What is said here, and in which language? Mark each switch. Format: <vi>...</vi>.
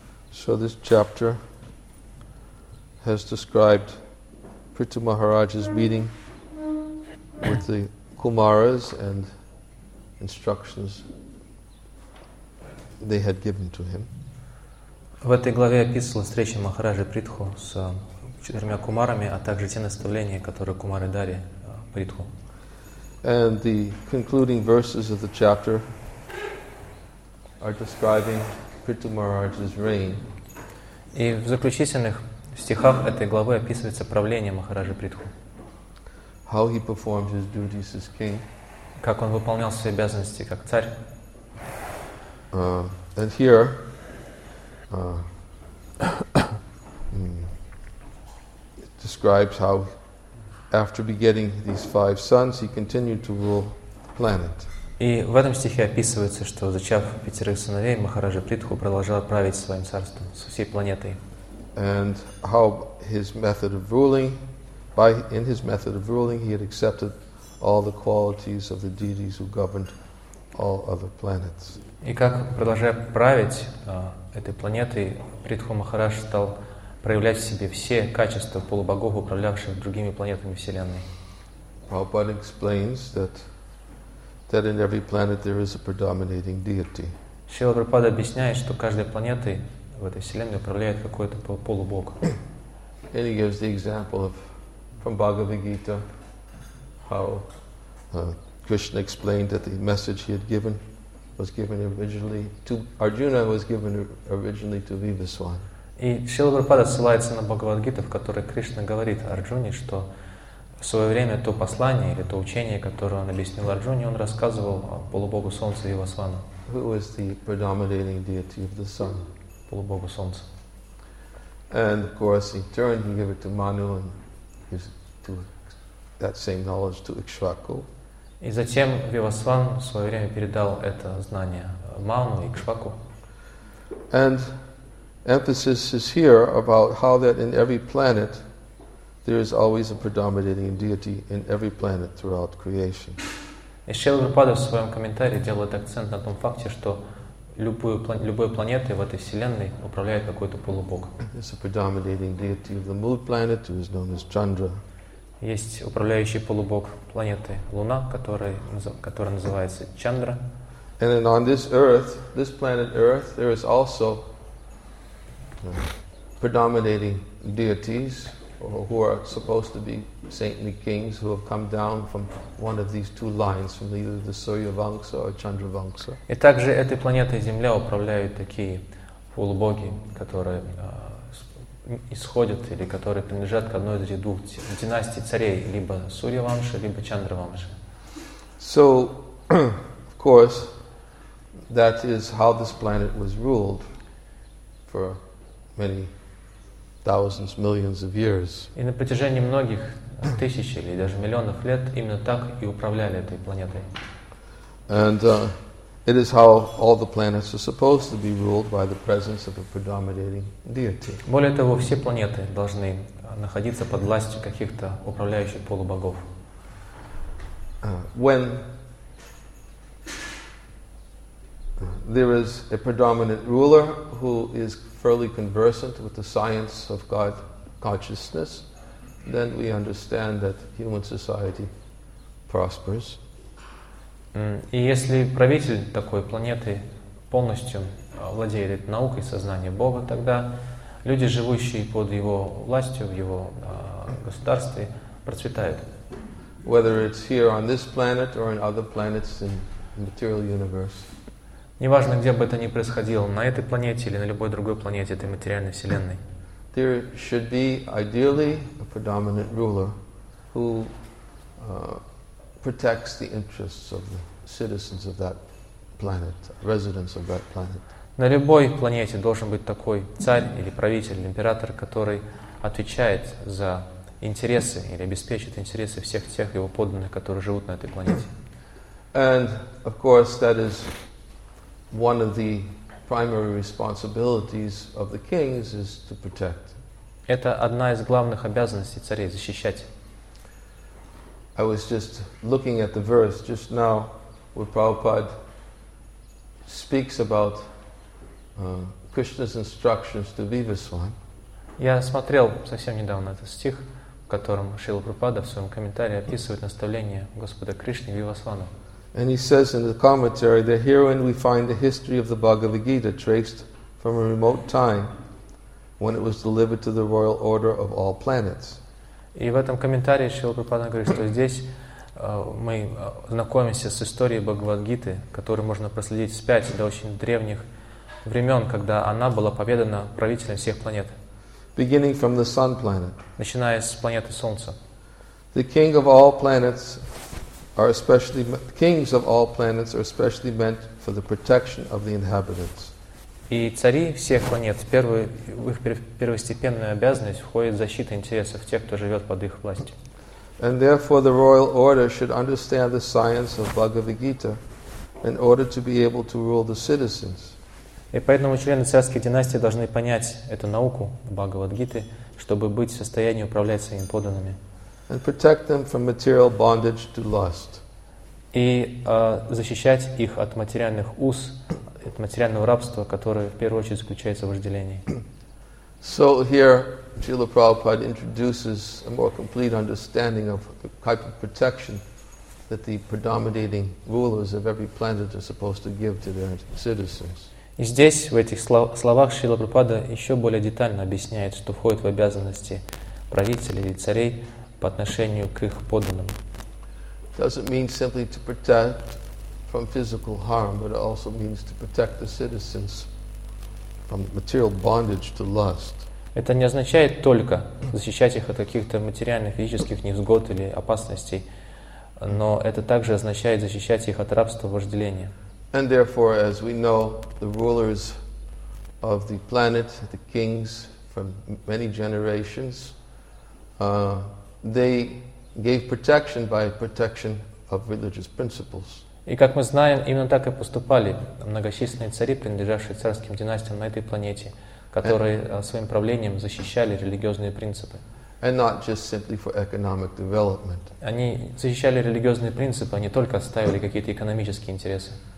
<en>So this chapter has described Prithu Maharaj's meeting with the Kumaras and instructions they had given to him.</en> <ru>В этой главе описывала встреча Махараджи Притху с четырьмя кумарами, а также те наставления, которые кумары дали Притху.</ru> <en>And the concluding verses of the chapter are describing Prithu Maharaj's reign.</en> <ru>И в заключительных стихах этой главы описывается правление Махараджи Притху.</ru> <en>How he performed his duties as king.</en> <ru>Как он выполнял свои обязанности как царь.</ru> <en>And here it describes how after begetting these five sons he continued to rule planet.</en> <ru>И в этом стихе описывается, что зачав пятерых сыновей, Махараджа Притху продолжал править своим царством со всей планетой.</ru> <en>And how his method of ruling by in his method of ruling he had accepted all the qualities of the deities who governed all other planets.</en> <ru>И как, продолжая править этой планетой, Притху Махарадж стал проявлять в себе все качества полубогов, управлявших другими планетами Вселенной.</ru> <en>Prabhupada explains that in every planet there is a predominating deity.</en> <ru>Шрила Прабхупада объясняет, что каждой планетой в этой Вселенной управляет какой-то полубог.</ru> <en>And he gives the example of from Bhagavad Gita how Krishna explained that the message he had given was given originally to Arjuna was given originally to Vibhiswan.</en> <ru>И Шрила Прабхупада ссылается на Бхагавад-гиту, в которой Кришна говорит Арджуне, что в свое время то послание или то учение, которое он объяснил Арджуне, он рассказывал о полубогу Солнца Вивасвана.</ru> <en>Who was the predominating deity of the sun?</en> <ru>Полубогу Солнца.</ru> <en>And of course, in turn, he gave it to Manu and gives to that same knowledge to Ikshvaku.</en> <ru>И затем Вивасван в свое время передал это знание Ману и Ikshvaku.</ru> <en>And emphasis is here about how that in every planet there is always a predominating deity in every planet throughout creation.</en> <ru>И Шрила Прабхупада в своем комментарии делает акцент на том факте, что любой планетой в этой вселенной управляет какой-то полубог.</ru> <en>There's a predominating deity of the moon planet who is known as Chandra.</en> <ru>Есть управляющий полубог планеты Луна, который называется Чандра.</ru> <en>And then on this Earth, this planet Earth, there is also predominating deities who are supposed to be saintly kings who have come down from one of these two lines, from either the Surya Vamsa or Chandra Vamsa.</en> <ru>И также этой планетой Земля управляют такие полубоги, которые исходят или которые принадлежат к одной из двух династий царей, либо Сурья Вамша, либо Чандра Вамша.</ru> <en>So, of course, that is how this planet was ruled for many thousands, millions of years.</en> <ru>И на протяжении многих тысяч или даже миллионов лет именно так и управляли этой планетой.</ru> <en>And it is how all the planets are supposed to be ruled by the presence of a predominating deity.</en> <ru>Более того, все планеты должны находиться под властью каких-то управляющих полубогов.</ru> <en>When there is a predominant ruler who is fairly conversant with the science of God consciousness, then we understand that human society prospers.</en> <ru>И если правитель такой планеты полностью владеет наукой сознания Бога, тогда люди, живущие под его властью, в его государстве, процветают.</ru> <en>Whether it's here on this planet or in other planets in the material universe.</en> <ru>Неважно, где бы это ни происходило, на этой планете или на любой другой планете этой материальной вселенной.</ru> <en>There should be ideally a predominant ruler who protects the interests of the citizens of that planet, residents of that planet.</en> <ru>На любой планете должен быть такой царь или правитель, или император, который отвечает за интересы или обеспечит интересы всех тех его подданных, которые живут на этой планете.</ru> <en>And of course, that is one of the primary responsibilities of the kings is to protect.</en> <ru>Это одна из главных обязанностей царей — защищать.</ru> <en>I was just looking at the verse just now where Prabhupada speaks about Krishna's instructions to Vivaswan.</en> <ru>Я смотрел совсем недавно этот стих, в котором Шрила Прабхупада в своем комментарии описывает наставление Господа Кришны Вивасвана.</ru> <en>And he says in the commentary that herein we find the history of the Bhagavad Gita traced from a remote time when it was delivered to the royal order of all planets.</en> <ru>И в этом комментарии Шрила Прабхупада говорит, что здесь мы знакомимся с историей Бхагавад-гиты, которую можно проследить вспять до очень древних времен, когда она была поведана правителем всех планет.</ru> <en>Beginning from the sun planet.</en> <ru>Начиная с планеты Солнца.</ru> <en>The king of all planets are especially kings of all planets are especially meant for the protection of the inhabitants.</en> <ru>И цари всех планет, в их первостепенную обязанность входит защита интересов тех, кто живет под их властью.</ru> <en>And therefore the royal order should understand the science of Bhagavad-gita in order to be able to rule the citizens.</en> <ru>И поэтому члены царской династии должны понять эту науку Бхагавад-гиты, чтобы быть в состоянии управлять своими подданными.</ru> <en>And protect them from material bondage to lust.</en> <ru>И защищать их от материальных уз, от материального рабства, которое в первую очередь заключается в вожделении.</ru> <en>So here Srila Prabhupada introduces a more complete understanding of the type of protection that the predominating rulers of every planet are supposed to give to their citizens.</en> <ru>И здесь, в этих словах, Шрила Прабхупада еще более детально объясняет, что входит в обязанности правителей и царей по отношению к их подданным.</ru> <en>Doesn't mean simply to protect from physical harm, but it also means to protect the citizens from material bondage to lust.</en> <ru>Это не означает только защищать их от каких-то материальных физических невзгод или опасностей, но это также означает защищать их от рабства вожделения.</ru> <en>And therefore, as we know, the rulers of the planet, the kings from many generations, they gave protection by protection of religious principles.</en> <ru>И как мы знаем, именно так и поступали многочисленные цари, принадлежавшие царским династиям на этой планете, которые своим правлением защищали религиозные принципы.</ru> <en>And not just simply for economic development.</en> <ru>Они защищали религиозные принципы, они только отстаивали какие-то экономические интересы.</ru>